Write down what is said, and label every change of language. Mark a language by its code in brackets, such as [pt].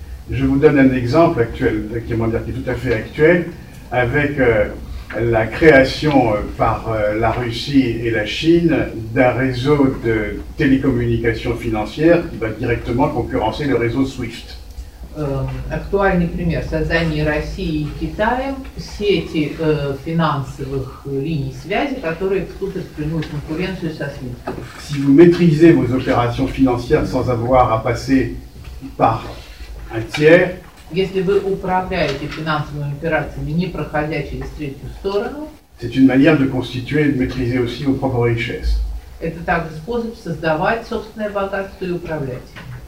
[fr] Je vous donne un exemple actuel, qui est, dire, qui est tout à fait actuel, avec la création par la Russie et la Chine d'un réseau de télécommunications financières qui va directement concurrencer le réseau SWIFT. [ru] Актуальный пример создания России и Китая сети финансовых линий связи, которые вступят в прямую конкуренцию со SWIFT. [fr] Si vous maîtrisez vos opérations financières sans avoir à passer par un tiers. [ru] Если вы управляете финансовыми операциями, не проходя через третью сторону. [fr] C'est une manière de constituer et de maîtriser aussi vos propres richesses. [ru] Это также способ создавать собственное богатство и управлять им.